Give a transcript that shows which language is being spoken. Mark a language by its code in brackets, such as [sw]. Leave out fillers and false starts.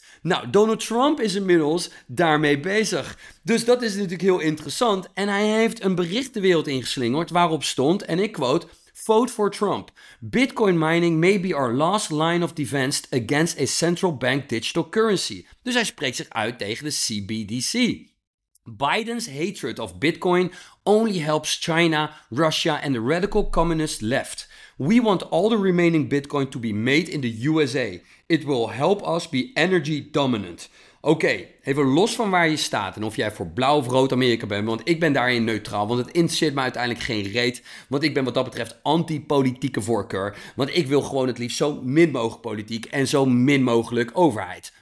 [nl] Nou, Donald Trump is inmiddels daarmee bezig. Dus dat is natuurlijk heel interessant. En hij heeft een bericht de wereld ingeslingerd waarop stond, en ik quote, [en] "Vote for Trump. Bitcoin mining may be our last line of defense against a central bank digital currency." [nl] Dus hij spreekt zich uit tegen de CBDC. [en] "Biden's hatred of Bitcoin only helps China, Russia and the radical communist left. We want all the remaining Bitcoin to be made in the USA. It will help us be energy dominant." [nl] Oké, even los van waar je staat en of jij voor blauw of rood Amerika bent, want ik ben daarin neutraal, want het interesseert me uiteindelijk geen reet, want ik ben wat dat betreft anti-politieke voorkeur, want ik wil gewoon het liefst zo min mogelijk politiek en zo min mogelijk overheid.